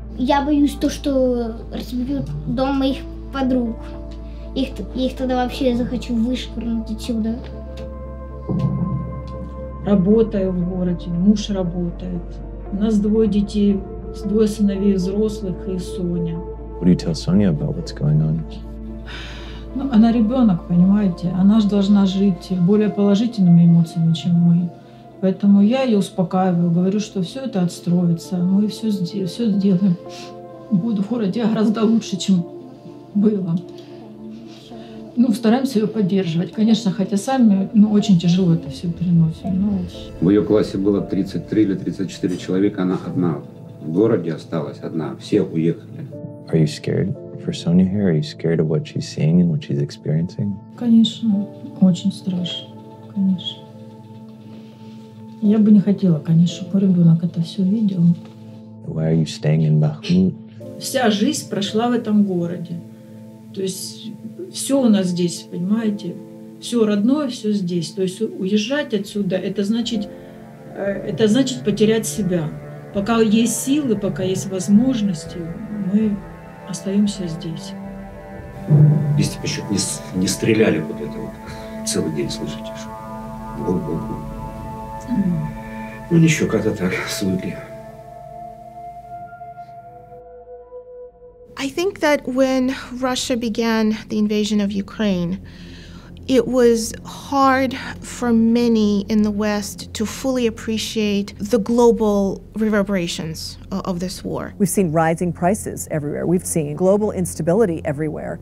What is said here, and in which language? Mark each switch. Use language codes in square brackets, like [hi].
[ru] Я боюсь то, что разбьют дом моих подруг, их тогда вообще захочу вышвырнуть отсюда. Работаю в городе, муж работает. У нас двое детей, двое сыновей взрослых и Соня. [en] What do you tell Sonia about what's going on? [ru] Ну, она ребенок, понимаете? Она же должна жить более положительными эмоциями, чем мы. Поэтому я ее успокаиваю, говорю, что все это отстроится, мы все сделаем. Буду в городе гораздо лучше, чем было. Ну, стараемся ее поддерживать. Конечно, хотя сами, ну, очень тяжело это все переносим. Но... В ее классе было 33 или 34 человека, она одна. В городе осталась одна, все уехали. [en] Are you scared for Sonia here? Are you scared of what she's seeing and what she's experiencing? [ru] Конечно, очень страшно, конечно. Я бы не хотела, конечно, чтобы ребенок это все видел. [en] Why are you staying in Bakhmut? [ru] Вся жизнь прошла в этом городе. То есть... Все у нас здесь, понимаете? Все родное, все здесь. То есть уезжать отсюда, это значит потерять себя. пока есть силы, пока есть возможности, мы остаемся здесь. Если бы еще не стреляли вот это вот целый день, слышите? Бу-бу-бу. Ну, ничего, как-то так, свыкли. [en] I think that when Russia began the invasion of Ukraine, it was hard for many in the West to fully appreciate the global reverberations of this war. We've seen rising prices everywhere. We've seen global instability everywhere.